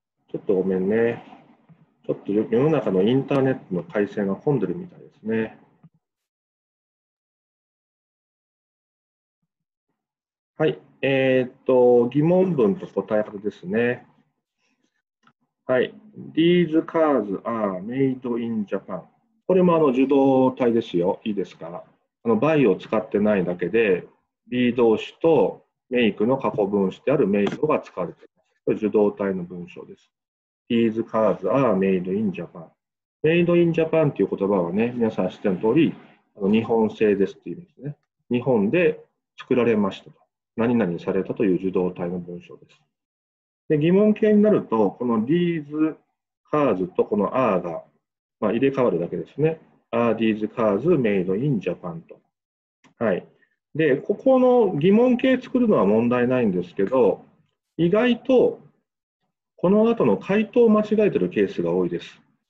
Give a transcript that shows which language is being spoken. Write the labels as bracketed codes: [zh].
[ja] ちょっとごめんね。ちょっと世の中のインターネットの回線が混んでるみたいですね。はい。疑問文と答え方ですね。はい。 [en] These cars are made in Japan。 [ja] これも受動体ですよ。いいですか。 by を使ってないだけで、be 動詞と make の過去分詞である made が使われています。これ受動体の文章です。 [en] These cars are made in Japan。 [ja] made in Japan という言葉はね、皆さん知っての通り、日本製ですという意味ですね。日本で作られましたと。何々されたという受動体の文章です。で、疑問形になるとこの these cars とこの are が、まあ、入れ替わるだけですね。 [en] are these cars made in Japan と。 [ja] はい。で、ここの疑問形作るのは問題ないんですけど、意外とこの後の回答を間違えてるケースが多いです。